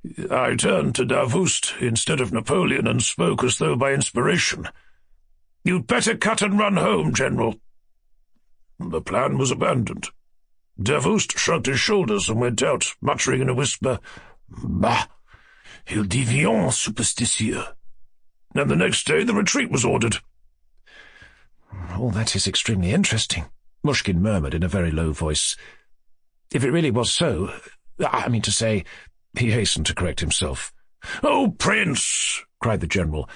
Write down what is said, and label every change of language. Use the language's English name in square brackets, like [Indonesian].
[English] I turned to Davoust instead of Napoleon and spoke as though by inspiration. "You'd better cut and run home, General." The plan was abandoned. Davoust shrugged his shoulders and went out, muttering in a whisper, "Bah! [French] Il devient superstitieux." [English] And the next day the retreat was ordered. "All that is extremely interesting," Mushkin murmured in a very low voice. "If it really was so, I mean to say..." He hastened to correct himself. "Oh, Prince!" cried the General,